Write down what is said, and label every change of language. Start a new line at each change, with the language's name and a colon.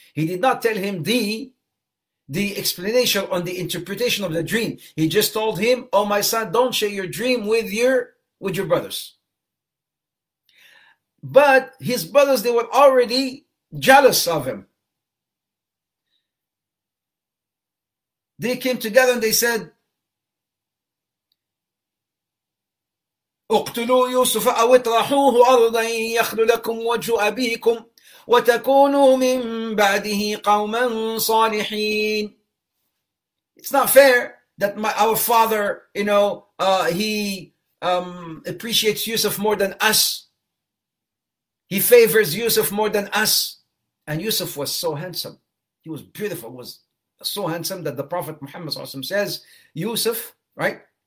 English: He did not tell him the explanation on the interpretation of the dream. He just told him, oh my son, don't share your dream with your brothers. But his brothers, they were already jealous of him. They came together and they said,
Arabic: اقتلوا يوسف أو اطرحوه أرضا يخلو لكم وجه أبيكم وَتَكُونُوا مِن بَعْدِهِ قَوْمًا صَالِحِينَ.
English: It's not fair that our father, he appreciates Yusuf more than us. He favors Yusuf more than us. And Yusuf was so handsome. He was beautiful. He was so handsome that the Prophet Muhammad ﷺ says, Yusuf, right?